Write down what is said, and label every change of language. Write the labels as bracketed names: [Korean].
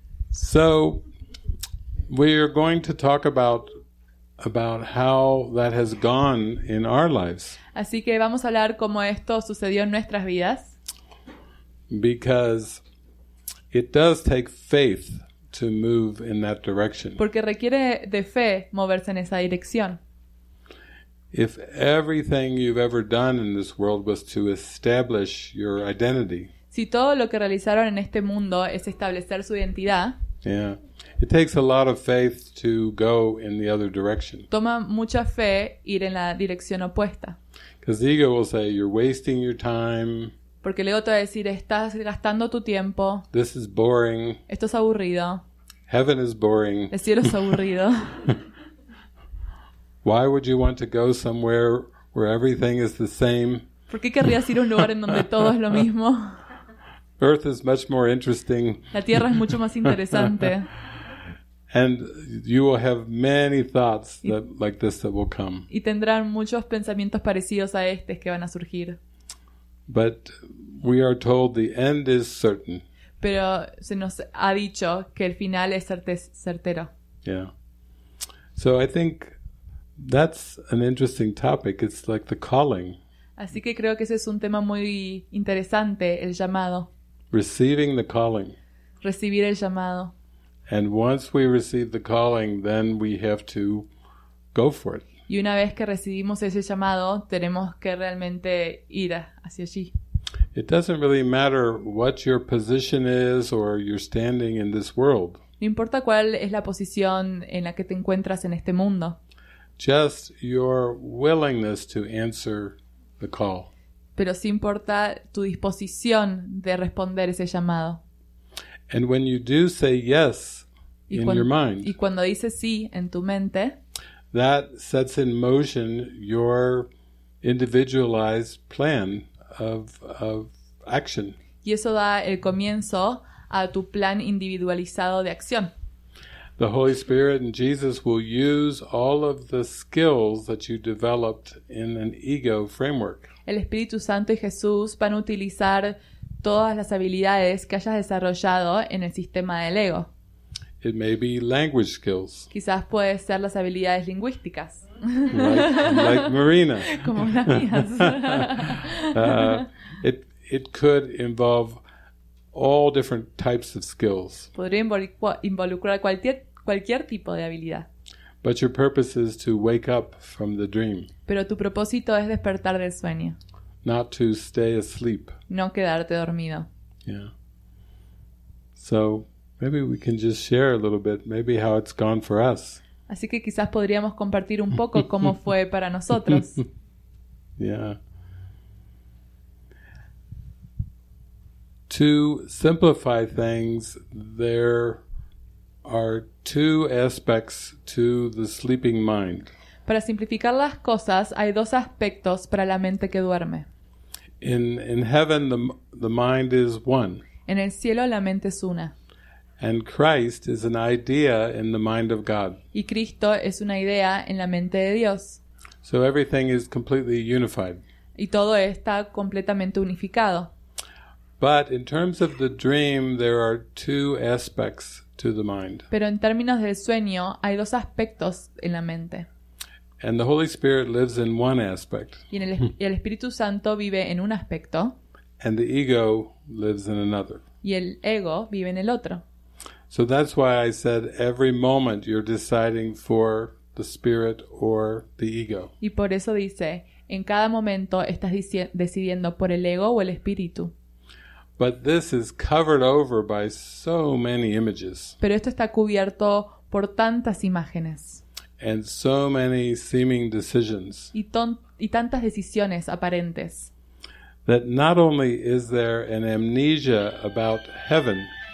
[English] So, we are going to talk about how that has gone in our lives. [Spanish] Así que vamos a hablar cómo esto sucedió en nuestras vidas. [English] Because it does take faith to move in that direction. [Spanish] Porque requiere de fe moverse en esa dirección. [English] If everything you've ever done in this world was to establish your identity. [Spanish] Si todo lo que realizaron en este mundo es establecer su identidad. [English] Yeah. It takes a lot of faith to go in the other direction. [Spanish] Toma mucha fe ir en la dirección opuesta. [English] Because the ego will say, you're wasting your time. [Spanish] Porque el ego te va a decir, estás gastando tu tiempo. [English] This is boring. [Spanish] Esto es aburrido. [English] Heaven is boring. [Spanish] El cielo es aburrido. [English] Why would you want to go somewhere where everything is the same? [Spanish] ¿Por qué querrías ir a un lugar en donde todo es lo mismo? [English] Earth is much more interesting. [Spanish] La tierra es mucho más interesante. [English] And you will have many thoughts that, like this that will come. [Spanish] Y tendrán muchos pensamientos parecidos a estos que van a surgir. [English] But we are told the end is certain. [Spanish] Pero se nos ha dicho que el final es certero. [English] Yeah. So I think that's an interesting topic. It's like the calling. [Spanish] Así que creo que ese es un tema muy interesante, el llamado. [English] Receiving the calling. [Spanish] Recibir el llamado. [English] And once we receive the calling, then we have to go for it. [Spanish] Y una vez que recibimos ese llamado, tenemos que realmente ir hacia allí. [English] It doesn't really matter what your position is or your standing in this world. [Spanish] No importa cuál es la posición en la que te encuentras en este mundo. [English] Just your willingness to answer the call. [Spanish] Pero sí importa tu disposición de responder ese llamado. [English] And when you do say yes in your mind, [Spanish] y cuando dices sí en tu mente, [English] that sets in motion your individualized plan of action. [Spanish] Y eso da el comienzo a tu plan individualizado de acción. [English] The Holy Spirit and Jesus will use all of the skills that you developed in an ego framework. [Spanish] El Espíritu Santo y Jesús van a utilizar todas las habilidades que hayas desarrollado en el sistema del ego. [English] It may be language skills. [Spanish] Quizás puede ser las habilidades lingüísticas. [English] Like Marina. [Spanish] Como las mías. [English] It could involve all different types of skills. [Spanish] Podría involucrar cualquier tipo de habilidad. [English] But your purpose is to wake up from the dream. [Spanish] Pero tu propósito es despertar del sueño. [English] Not to stay asleep. [Spanish] No quedarte dormido. [English] Yeah. So maybe we can just share a little bit, maybe how it's gone for us. [Spanish] Así que quizás podríamos compartir un poco cómo fue para nosotros. [English] Yeah. To simplify things, there are two aspects to the sleeping mind. [Spanish] Para simplificar las cosas, hay dos aspectos para la mente que duerme. [English] In heaven, the mind is one. [Spanish] En el cielo, la mente es una. [English] And Christ is an idea in the mind of God. [Spanish] Y Cristo es una idea en la mente de Dios. [English] So everything is completely unified. [Spanish] Y todo está completamente unificado. [English] But in terms of the dream, there are two aspects to the mind. [Spanish] Pero en términos del sueño, hay dos aspectos en la mente. [English] And the Holy Spirit lives in one aspect. [Spanish] Y el Espíritu Santo vive en un aspecto. [English] And the ego lives in another. [Spanish] Y el ego vive en el otro. [English] So that's why I said every moment you're deciding for the spirit or the ego. [Spanish] Y por eso dice, en cada momento estás decidiendo por el ego o el espíritu. [English] But this is covered over by so many images. [Spanish] Pero esto está cubierto por tantas imágenes. [English] And so many seeming decisions. [Spanish] Y tantas decisiones aparentes. [English] That not only is there an amnesia about heaven.